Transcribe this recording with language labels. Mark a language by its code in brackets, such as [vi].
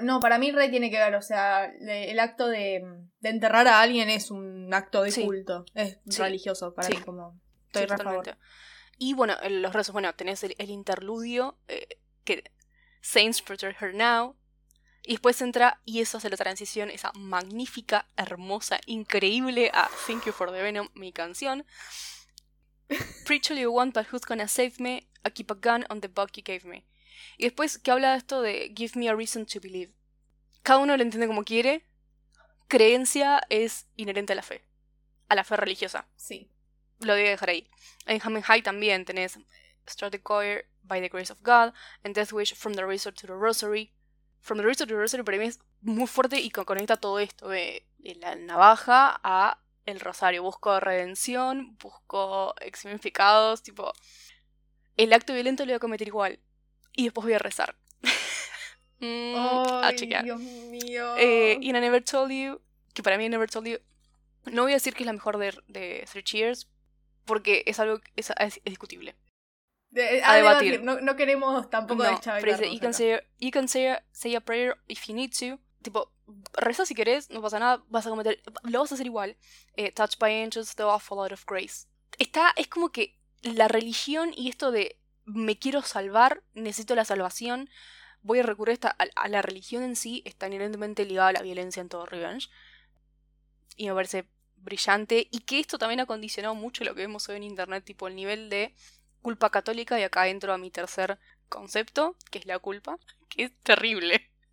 [es] Para mí re tiene que ver, o sea, el acto de enterrar a alguien es un acto de culto, religioso para mí, como... Estoy Y bueno, los rezos, bueno, tenés el interludio, que Saints Protect Her Now, y después entra, y eso hace la transición, esa magnífica, hermosa, increíble, a Thank You for the Venom, mi canción. [en] Preach all you want, but who's gonna save me? I keep a gun on the book you gave me. [es] Y después, que habla de esto de [en] Give me a reason to believe. [es] Cada uno lo entiende como quiere. Creencia es inherente a la fe. A la fe religiosa. Sí. Lo voy a dejar ahí. En Humming High también tenés [en] Start the Choir, By the Grace of God, and Death Wish, From the Razor to the Rosary. [es] From the Razor to the Rosary para mí es muy fuerte y conecta todo esto de la navaja a el rosario. Busco redención, busco significados, tipo... El acto violento lo voy a cometer igual. Y después voy a rezar. Dios mío. And I Never Told You, que para mí I Never Told You, no voy a decir que es la mejor de Three Cheers, porque es algo que es discutible. A debatir. No queremos tampoco deschavetarnos. [en] You can say a prayer if you need to. [es] Tipo, reza si querés, no pasa nada, vas a cometer... Lo vas a hacer igual. [en] Touched by angels, the awful out of grace. [es] Es como que la religión y esto de me quiero salvar, necesito la salvación, voy a recurrir a la religión en sí, está inherentemente ligada a la violencia en todo Revenge. Y me parece... brillante, y que esto también ha condicionado mucho lo que vemos hoy en internet, tipo el nivel de culpa católica, y acá entro a mi tercer concepto, que es la culpa, que es terrible.